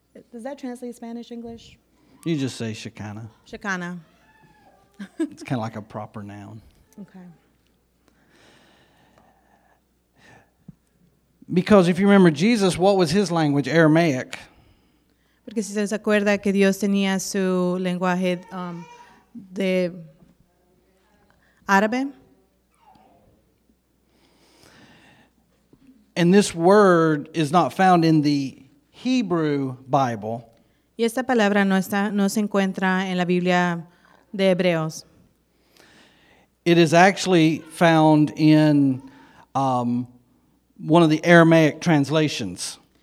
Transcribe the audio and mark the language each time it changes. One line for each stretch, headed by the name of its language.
English: Does that translate Spanish English? You just say Shekinah. Shekinah. It's kind of like a proper noun. Okay. Because if you remember Jesus, what was his language? Aramaic.
Spanish: Porque si se acuerda que Dios tenía su lenguaje de árabe.
English: And this word is not found in the Hebrew Bible.
Spanish: Y esta palabra no se encuentra en la Biblia de Hebreos.
English: It is actually found in one of the Aramaic translations.